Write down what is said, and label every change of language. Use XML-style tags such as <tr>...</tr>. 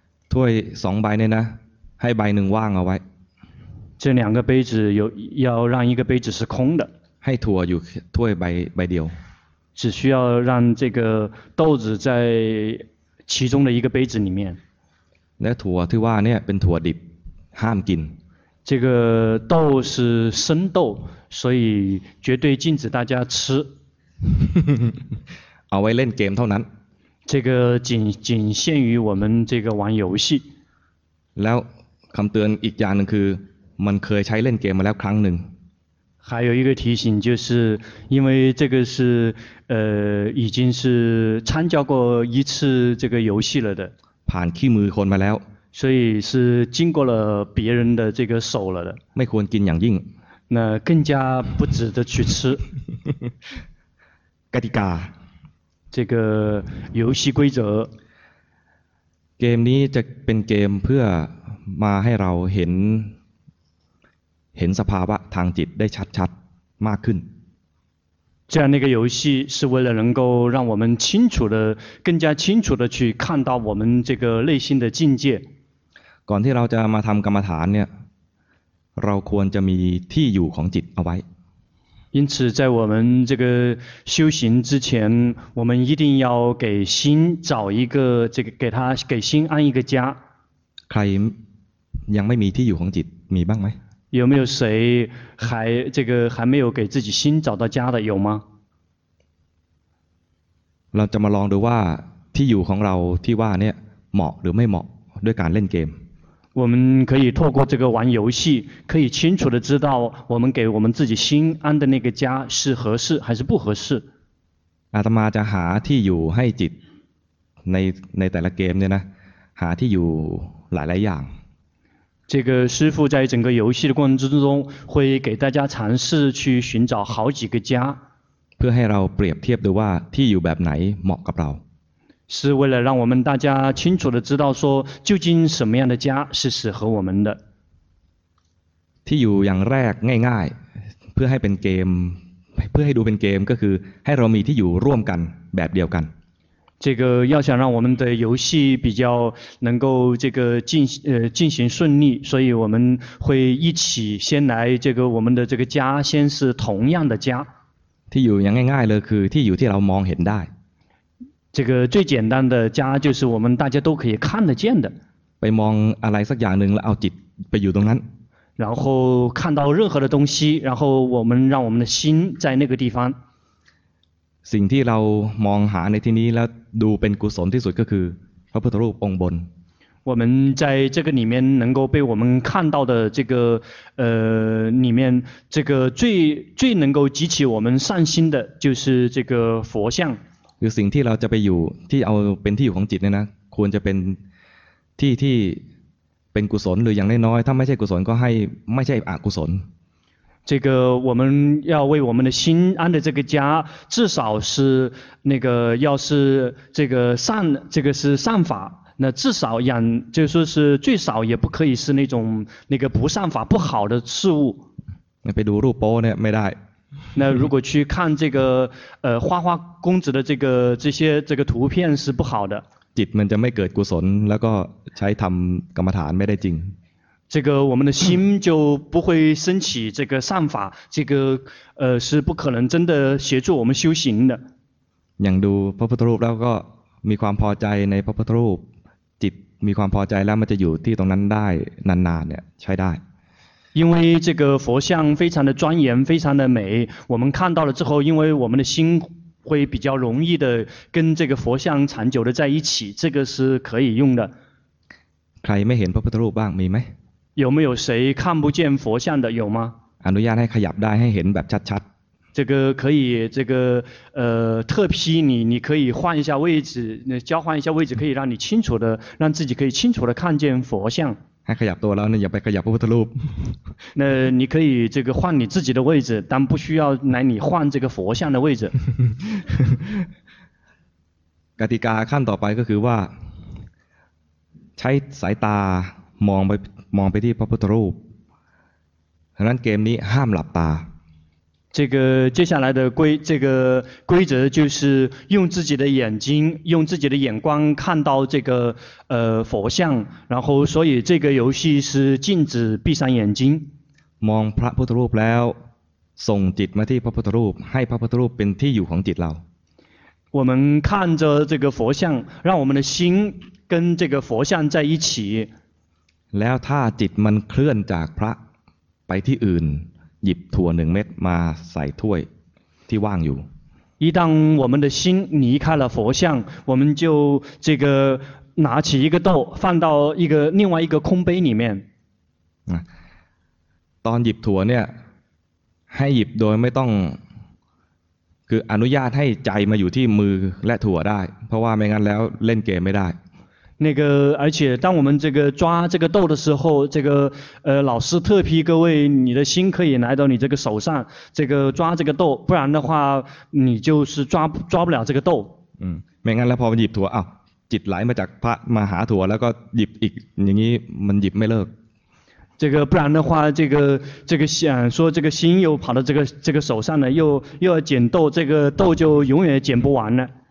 <th>ถ้วย2ใบเนี่ยนะให้ใบหนึ่งว่างเอาไว้</th> <zh>这两个杯子有要让一个杯子是空的</zh> <th>ให้ถั่วอยู่ถ้วยใบเดียว</th> <zh>只需要让这个豆子在其中的一个杯子里面</zh> <th>และถั่วที่ว่าเนี่ยเป็นถั่วดิบห้ามกิน</th> <zh>这个豆是生豆所以绝对禁止大家吃</zh> <th>เอาไว้เล่นเกมเท่านั้น</th> <zh>这个仅限于我们这个玩游戏。</zh> <th>แล้วคำเตือนอีกอย่างนึงคือมันเคยใช้เล่นเกมมาแล้วครั้งหนึ่ง</th> <zh>还有一个提醒就是因为这个是已经是参加过一次这个游戏了的</zh> <th>ผ่านขี้มือคนมาแล้ว</th> <zh>所以是经过了别人的这个手了的</zh> <th>ไม่ควรกินอย่างยิ่ง</th> <zh>那更加不值得去吃</zh> <th>กติกา</th> <zh>这个游戏规则</zh> <th>เกมนี้จะเป็นเกมเพื่อมาให้เราเห็นสภาวะทางจิตได้ชัดๆมากขึ้น</th> <zh>这样的一个游戏是为了能够让我们清楚的更加清楚的去看到我们这个内心的境界</zh> <th>ก่อนที่เราจะมาทำกรรมฐานเนี่ยเราควรจะมีที่อยู่ของจิตเอาไว้</th> <zh>因此在我们这个修行之前我们一定要给心找一个这个给他给心安一个家</zh> <th>ใครยังไม่มีที่อยู่ของจิตมีบ้างไหม</th> <zh>有没有谁还这个还没有给自己心找到家的有吗</zh> <th>เราจะมาลองดูว่าที่อยู่ของเราที่ว่าเนี่ยเหมาะหรือไม่เหมาะด้วยการเล่นเกม</th> <zh>我们可以透过这个玩游戏可以清楚的知道我们给我们自己心安的那个家是合适还是不合适</zh> <th>อาตมาจะหาที่อยู่ให้จิตในแต่ละเกมเนี่ยนะหาที่อยู่หลายอย่าง</th> <zh>这个师父在整个游戏的过程之中会给大家尝试去寻找好几个家</zh> <th>เพื่อให้เราเปรียบเทียบดูว่าที่อยู่แบบไหนเหมาะกับเรา</th> <zh>是为了让我们大家清楚的知道说究竟什么样的家是适合我们的</zh> <th>ที่อยู่อย่างแรกง่ายๆเพื่อให้เป็นเกมเพื่อให้ดูเป็นเกมก็คือให้เรามีที่อยู่ร่วมกันแบบเดียวกัน</th> <zh>这个要想让我们的游戏比较能够这个进行顺利所以我们会一起先来这个我们的这个家先是同样的家</zh> <th>ที่อยู่อย่างง่ายๆเลยคือที่อยู่ที่เรามองเห็นได้</th> <zh>这个最简单的家就是我们大家都可以看得见的</zh> <th>ไปมองอะไรสักอย่างหนึ่งแล้วเอาจิตไปอยู่ตรงนั้น</th> <zh>然后看到任何的东西然后我们让我们的心在那个地方</zh> <th>สิ่งที่เรามองหาในที่นี้แล้วดูเป็นกุศลที่สุดก็คือพระพุทธรูปองค์บน</th> <zh>我们在这个里面能够被我们看到的这个里面这个最能够激起我们善心的就是这个佛像</zh> <th>คือสิ่งที่เราจะไปอยู่ที่เอาเป็นที่อยู่ของจิตเนี่ยนะควรจะเป็นที่ที่เป็นกุศลหรืออย่างน้อยๆถ้าไม่ใช่กุศลก็ให้ไม่ใช่อกุศล</th> <zh>这个我们要为我们的心安的这个家至少是那个要是这个善这个是善法那至少养就是说是最少也不可以是那种那个不善法不好的事物</zh> <th>那ไปดูรูปโป้เนี่ยไม่ได้</th> <zh>那如果去看这个花花公子的这些图片是不好的</zh> <th>จิตมันจะไม่เกิดกุศลแล้วก็ใช้ทำกรรมฐานไม่ได้จริง</th> <zh>这个我们的心就不会升起这个善法这个是不可能真的协助我们修行的</zh> <th>อย่างดูพระพุทธรูปแล้วก็มีความพอใจในพระพุทธรูปจิตมีความพอใจแล้วมันจะอยู่ที่ตรงนั้นได้นานๆเนี่ยใช้ได้</th> <zh>因为这个佛像非常的庄严非常的美我们看到了之后因为我们的心会比较容易的跟这个佛像长久的在一起这个是可以用的</zh> <th>ใครไม่เห็นพระพุทธรูปบ้างมีไหม</th> <zh>有没有谁看不见佛像的有吗</zh> <th>อนุญาตให้ขยับได้ให้เห็นแบบชัด</th> <zh>ๆ这个可以这个特批你可以换一下位置交换一下位置可以让你清楚的让自己可以清楚的看见佛像</zh> <th>ให้ขยับตัวแล้วเนี่ยอย่าไปขยับพระพุทธรูป</th> <zh>那你可以这个换你自己的位置但不需要来你换这个佛像的位置</zh> <th>กติกาขั้นต่อไปก็คือว่าใช้สายตามองไปที่พระพุทธรูปฉะนั้นเกมนี้ห้ามหลับตา</th> <zh>这个接下来的规这个规则就是用自己的眼睛用自己的眼光看到这个佛像然后所以这个游戏是禁止闭上眼睛</zh> <th>มองพระพุทธรูปแล้วส่งจิตมาที่พระพุทธรูปให้พระพุทธรูปเป็นที่อยู่ของจิตเรา</th> <zh>我们看着这个佛像让我们的心跟这个佛像在一起</zh> <th>แล้วถ้าจิตมันเคลื่อนจากพระไปที่อื่นหยิบถั่ว1เม็ดมาใส่ถ้วยที่ว่างอยู่</th> <zh>一旦我们的心离开了佛像我们就这个拿起一个豆放到一个另外一个空杯里面</zh> <th>ตอนหยิบถั่วเนี่ยให้หยิบโดยไม่ต้องคืออนุญาตให้ใจมาอยู่ที่มือและถั่วได้เพราะว่าไม่งั้นแล้วเล่นเกมไม่ได้</th> <zh>那个而且当我们这个抓这个豆的时候这个老师特批各位你的心可以来到你这个手上这个抓这个豆不然的话你就是抓不了这个豆</zh> <th>嗯没งั้นแล้วพอหยิบถั่วอ้าวจิตไหลมาจากพระมาหาถั่วแล้วก็หยิบอีกอย่างนี้มันหยิบไม่เลิก</th> <zh>这个不然的话这个想说这个心又跑到这个手上了又要捡豆这个豆就永远捡不完了</zh>